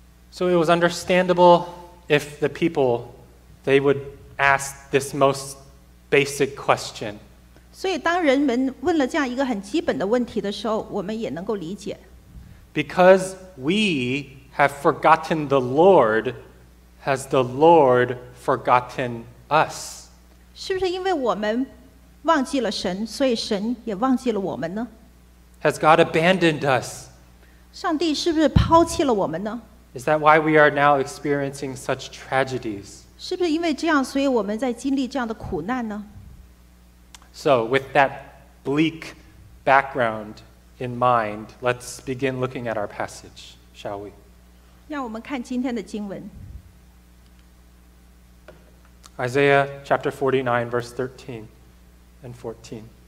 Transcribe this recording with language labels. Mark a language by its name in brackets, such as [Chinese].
[English] So it was understandable if the people, they would ask this most basic question. [Chinese] 所以当人们问了这样一个很基本的问题的时候，我们也能够理解。 [English] Because we have forgotten the Lord, has the Lord forgotten us? [Chinese] 是不是因为我们忘记了神，所以神也忘记了我们呢？ [English] Has God abandoned us? [Chinese] 上帝是不是抛弃了我们呢？ [English] Is that why we are now experiencing such tragedies? [Chinese] 是不是因为这样，所以我们在经历这样的苦难呢？ [English] So, with that bleak background in mind, let's begin looking at our passage, shall we? [Chinese] 让我们看今天的经文。 [English] Isaiah chapter 49, verse 13 and 14.